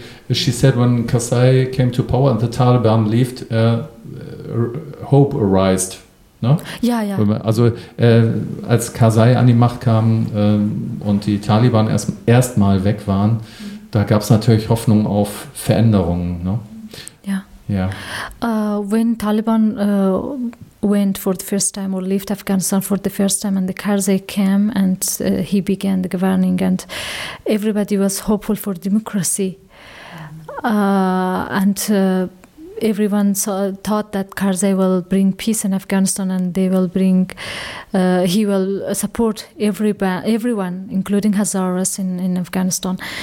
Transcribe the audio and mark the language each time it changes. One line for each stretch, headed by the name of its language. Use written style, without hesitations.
English: She said when Karzai came to power and the Taliban left, hope arose. No?
German: Ja, ja. Also als Karzai an die Macht kam und die Taliban erst mal weg waren, da gab es natürlich Hoffnung auf Veränderungen.
English: No?
German: Ja. Ja.
English: When Taliban went for the first time or left Afghanistan for the first time and the Karzai came and he began the governing and everybody was hopeful for democracy. Everyone thought that Karzai will bring peace in Afghanistan and they will bring, he will support everyone, including Hazaras in Afghanistan.